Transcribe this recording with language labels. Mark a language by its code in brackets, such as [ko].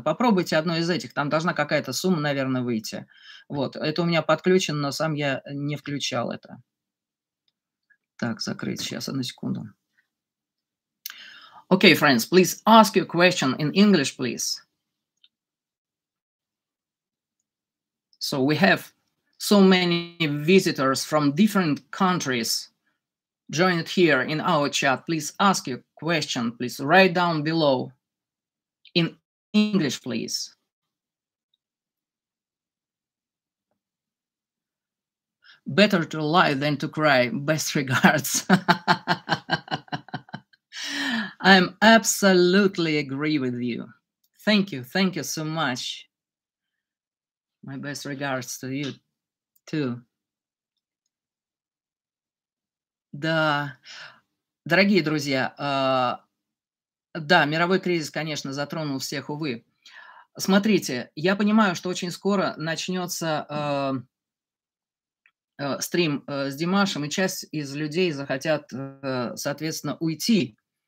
[ru] Попробуйте одно из этих, там должна какая-то сумма, наверное, выйти. Вот, это у меня подключено, но сам я не включал это. Так, закрыть сейчас, одну секунду. [en] Okay, friends, please ask your question in English, please. So we have so many visitors from different countries joined here in our chat. Please ask your question. Please write down below in English, please. Better to lie than to cry. Best regards. I absolutely agree with you. Thank you. Thank you so much. My best regards to you, too. [ru] Да, дорогие друзья, да, мировой кризис, конечно, затронул всех, увы. Смотрите, я понимаю, что очень скоро начнется стрим с Димашем, и часть из людей захотят, соответственно, уйти.